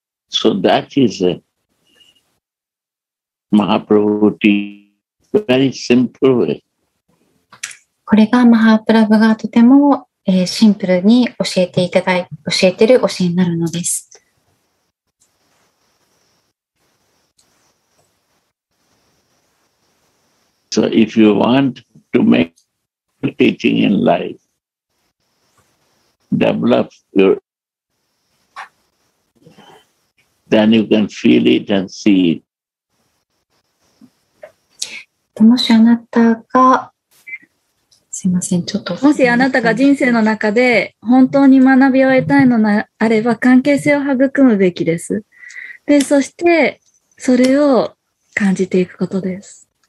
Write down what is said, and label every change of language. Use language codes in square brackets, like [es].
[en] So that is a Mahaprabhu teaching very simple way. [ja] これがマハプラブがとてもシンプルに教えていただいて教えている教えになるのです。 [en] So if you want to make teaching in life, develop your, then you can feel it and see it. [ja] もしあなたが、すいません、ちょっと。もしあなたが人生の中で本当に学びを得たいのであれば、関係性を育むべきです。で、そしてそれを感じていくことです。